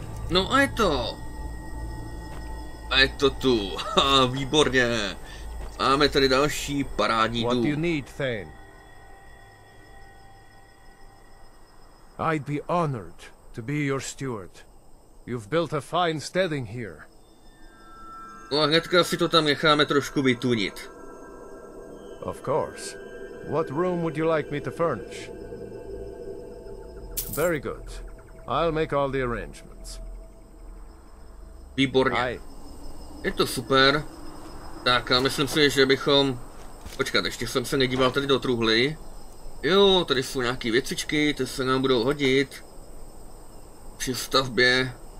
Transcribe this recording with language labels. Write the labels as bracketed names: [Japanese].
[Czech] No a je to. A je to tu. Ha, výborně. Máme tady další parádní dům. [English] What do you need, Thane? I'd be honored to be your steward. You've built a fine steading here. [Czech] No a hnedka si to tam necháme trošku vytunit. [English] Of course. What room would you like me to furnish? Very good. I'll make all the arrangements. [Czech] Výborně. Je to super. Tak a myslím si, že bychom... Počkat, ještě jsem se nedíval tady do truhly. Jo, tady jsou nějaké věcičky, ty se nám budou hodit. Při stavbě.